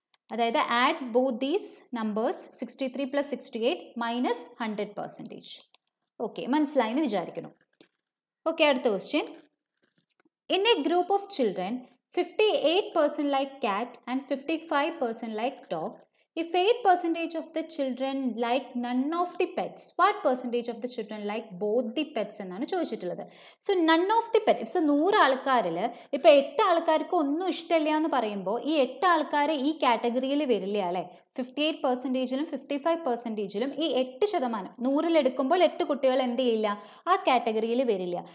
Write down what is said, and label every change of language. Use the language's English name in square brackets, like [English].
[Malayalam] അതായത് [English] Add both these numbers, 63 + 68 - 100%. [Malayalam] Okay, മനസ്സിലായി എന്ന് വിചാരിക്കുന്നു. ഓക്കെ, അടുത്ത question. [English] In a group of children 58% like cat and 55% like dog. If 8% of the children like none of the pets, what percentage of the children like both the pets? [Malayalam] എന്നാണ് ചോദിച്ചിട്ടുള്ളത്. [English] so none of the pet, [Malayalam] ഇപ്പം 100 ആൾക്കാരിൽ ഇപ്പം 8 ആൾക്കാർക്ക് ഒന്നും ഇഷ്ടമില്ല എന്ന് പറയുമ്പോൾ ഈ 8 ആൾക്കാർ ഈ കാറ്റഗറിയിൽ വരില്ലയാളെ. 58% - 55% ഈ 8%, 100 എടുക്കുമ്പോൾ 8 കുട്ടികൾ എന്ത് ചെയ്യില്ല, ആ കാറ്റഗറിയിൽ വരില്ല.